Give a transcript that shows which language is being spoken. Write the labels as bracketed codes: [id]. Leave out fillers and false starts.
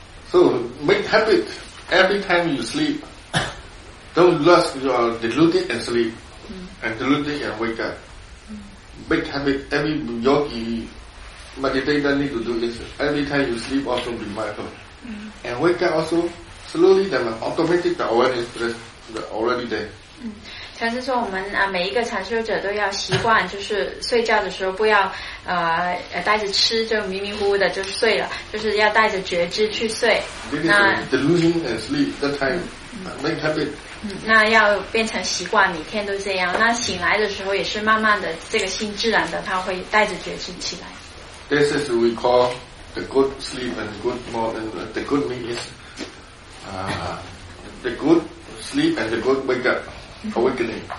[en] So make habit every time you sleep don't lose your deluded and sleep and deluded and wake up make habit every yogi meditator need to do this every time you sleep also be mindful and wake up also slowly then automatic the awareness pres [zh] 禅师说我们每一个禅修者都要习惯就是睡觉的时候不要带着吃就迷迷糊糊的就睡了就是要带着觉知去睡那 [en] delusion and sleep that time make habit [zh] 那要变成习惯每天都这样那醒来的时候也是慢慢的这个心自然的它会带着觉知起来 [en] this is we call the good sleep and good morning the good meaning is the goodSleep and the good wake up, awakening.